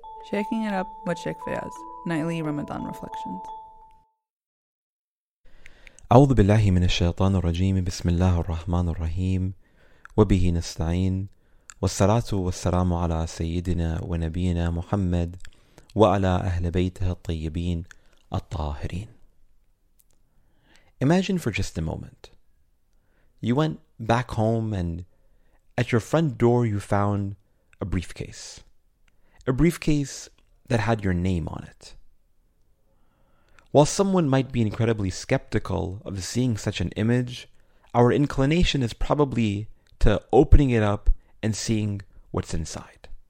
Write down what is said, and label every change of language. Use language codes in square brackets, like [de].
[en] Shaking it up with Sheikh Fayaz, nightly Ramadan reflections. [ar] أعوذ بالله من الشيطان الرجيم بسم الله الرحمن الرحيم وبه نستعين والصلاة والسلام على سيدنا ونبينا محمد وعلى أهل بيته الطيبين الطاهرين. [en] Imagine for just a moment. You went back home and at your front door you found a briefcase. A briefcase that had your name on it. While someone might be incredibly skeptical of seeing such an image, our inclination is probably to opening it up and seeing what's inside.